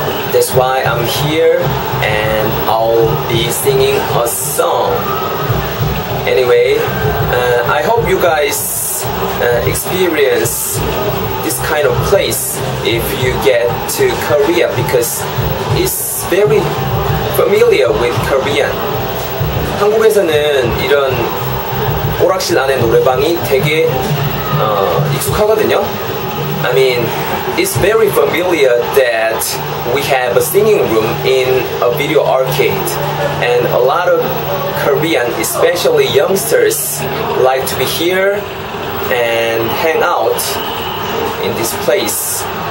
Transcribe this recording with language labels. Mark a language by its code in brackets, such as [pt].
[en] That's why I'm here, and I'll be singing a song. Anyway, I hope you guys experience this kind of place if you get to Korea, because it's very familiar with Korean. [ko] 한국에서는 이런 오락실 안에 노래방이 되게 익숙하거든요. [en] I mean, it's very familiar that we have a singing room in a video arcade. And a lot of Korean, especially youngsters, like to be here and hang out in this place.